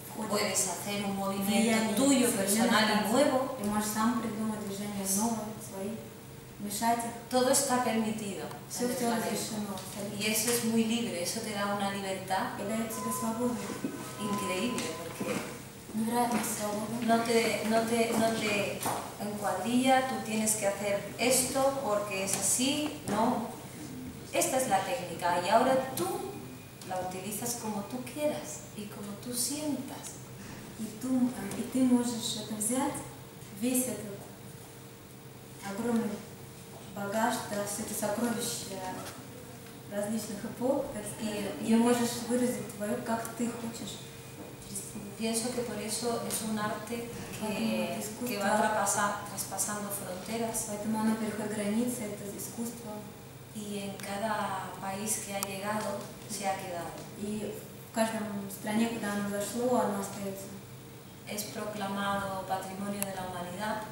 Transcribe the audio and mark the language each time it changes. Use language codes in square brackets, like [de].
[es] Puedes hacer un movimiento tuyo, personal y nuevo. [ru] Y можешь сам придумать движение новое, свои, мешать. [es] Todo está permitido. [ru] Все [es] está [ru] разрешено. [es] Y eso es muy libre, eso te da una libertad. [ru] Y дает тебе свободу. [es] Increíble, porque [ru] невероятная свобода. [es] No te encuadrilla, tú tienes que hacer esto porque es así, no. Esta es la técnica y ahora tú la utilizas como tú quieras y como tú sientas. [ru] И ты можешь это взять, весь этот огромный багаж, да, все это сокровище различных эпох, да, и можешь выразить твое, как ты хочешь. [es] Pienso que por eso es un arte que va traspasando fronteras. [ru] Поэтому оно переходит границы, это искусство. [es] Y en cada país que ha llegado, se ha quedado. [ru] И в каждом стране, куда оно зашло, оно остается. [es] Es proclamado Patrimonio de la Humanidad